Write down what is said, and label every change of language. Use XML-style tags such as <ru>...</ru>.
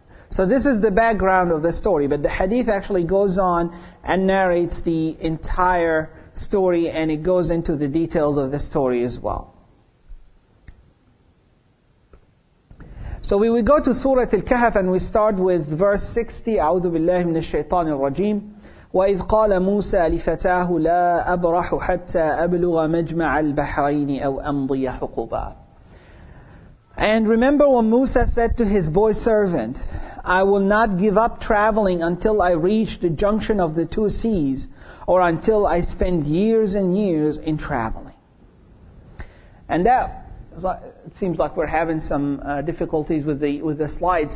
<en>So this is the background of the story, but the hadith actually goes on and narrates the entire story, and it goes into the details of the story as well. So we will go to Surah Al-Kahf, and we start with verse 60.</en> <ar>أعوذ بالله من الشيطان الرجيم. وَإِذْ قَالَ مُوسَى لِفَتَاهُ لَا أَبْرَحُ حَتَّى أَبْلُغَ مَجْمَعَ الْبَحْرَيْنِ أَوْ أَمْضِيَ حُقُبًا.</ar> <en>And remember when Musa said to his boy servant, I will not give up traveling until I reach the junction of the two seas, or until I spend years and years in traveling. And that seems like we're having some difficulties with the slides.</en>